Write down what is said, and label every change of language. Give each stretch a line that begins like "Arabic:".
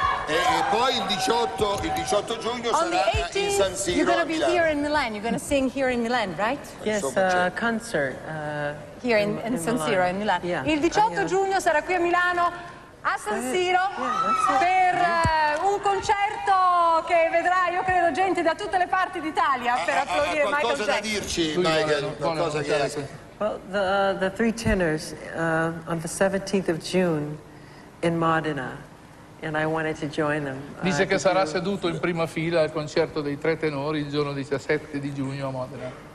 Italian: E poi il 18 giugno sarà in San Siro.
English: On the 18th, you're going to be here in Milan. You're going to sing here in Milan, right? Yes, a concert. Here in San Siro, in Milan. Yeah.
Italian: Il 18 giugno sarà qui a Milano, a San Siro, per un concerto che vedrà, io credo, gente da tutte le parti d'Italia per applaudire Michael Jackson. Qualcosa da dirci, Michael, qualcosa che è.
English: Well, the three tenors on the 17th of June in Modena. And I wanted to join them.
Italian: Dice che sarà seduto in prima fila al concerto dei tre tenori il giorno 17 di giugno a Modena.